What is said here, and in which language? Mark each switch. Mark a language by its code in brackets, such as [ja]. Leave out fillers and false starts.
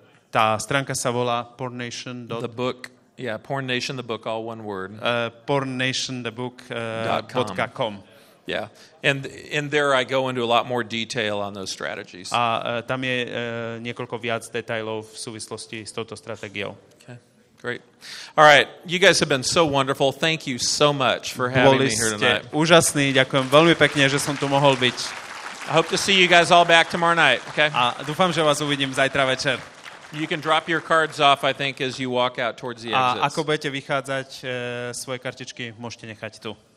[sk] Tá stránka sa volá pornnation. [en] The book, yeah, pornnation the book, all one word. pornnationthebook.com. Yeah. And there I go into a lot more detail on those strategies. [sk] A tam je niekoľko viac detailov v súvislosti s touto stratégiou. [en] Great. All right, you guys have been so wonderful. Thank you so much for having me here tonight. [sk] Úžasný, ďakujem veľmi pekne, že som tu mohol byť. [en] I hope to see you guys all back tomorrow night, okay? [sk] A dúfam, že vás uvidím zajtra večer. [en] You can drop your cards off, I think, as you walk out towards the exits. [sk] A ako budete vychádzať, svoje kartičky môžete nechať tu.